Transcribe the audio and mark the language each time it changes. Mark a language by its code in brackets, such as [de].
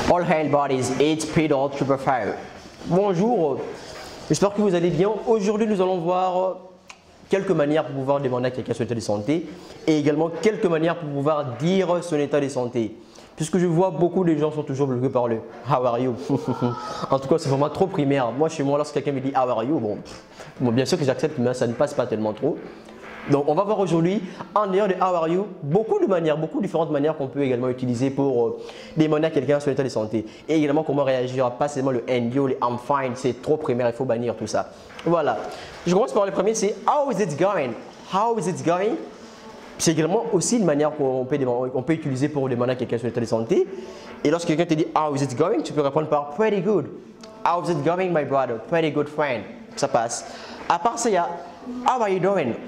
[en] Health Bodies, it's Peter Trubefire. [fr] Bonjour, j'espère que vous allez bien. Aujourd'hui, nous allons voir quelques manières pour pouvoir demander à quelqu'un son état de santé et également quelques manières pour pouvoir dire son état de santé. Puisque je vois beaucoup de gens sont toujours bloqués par le [en] How are you? [fr] En tout cas, c'est vraiment trop primaire. Moi, chez moi, lorsque quelqu'un me dit [en] How are you? [fr] Bon, bien sûr que j'accepte, mais ça ne passe pas tellement trop. Donc, on va voir aujourd'hui, en dehors de [en] How are you, [fr] beaucoup de manières, beaucoup de différentes manières qu'on peut également utiliser pour demander à quelqu'un son état de santé. Et également, comment réagir, pas seulement le [en] And you, [fr] le [en] I'm fine, [fr] c'est trop primaire, il faut bannir tout ça. Voilà. Je commence par le premier, c'est [en] How is it going? How is it going? [fr] C'est également aussi une manière qu'on peut utiliser pour demander à quelqu'un son état de santé. Et lorsque quelqu'un te dit [en] How is it going? [fr] Tu peux répondre par [en] Pretty good. How is it going, my brother? Pretty good friend. [fr] Ça passe. À part ça, il y a [en] How are you doing?